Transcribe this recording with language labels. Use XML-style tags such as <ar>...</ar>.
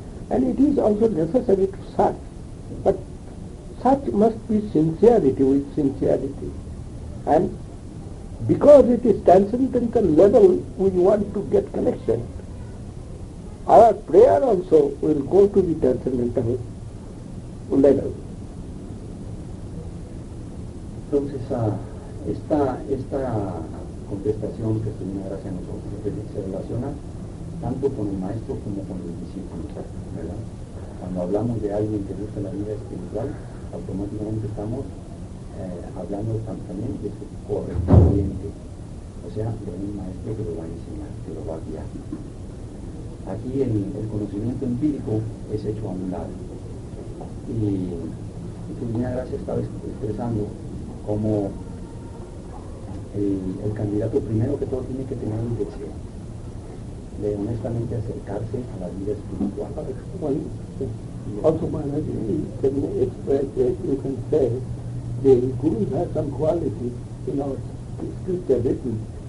<en>And it is also necessary to search, but search must be sincerity, with sincerity. And because it is transcendental level, we want to get connection. Our prayer also will go to the transcendental level.</en> <es>Entonces, esta contestación que el Señor hace a nosotros se relaciona tanto con el maestro como con el discípulo, ¿verdad? Cuando hablamos de alguien que busca la vida espiritual, automáticamente estamos hablando también de su correspondiente, o sea, de un maestro que lo va a enseñar, que lo va a guiar. Aquí el conocimiento empírico es hecho a un lado. Y tu Divina Gracia estaba expresando como el candidato, primero que todo, tiene que tener un deseo de honestamente acercarse a la vida espiritual.</es> <en>Also, Maharaj, can express that you can say the guru has some qualities in our scripture written.</en>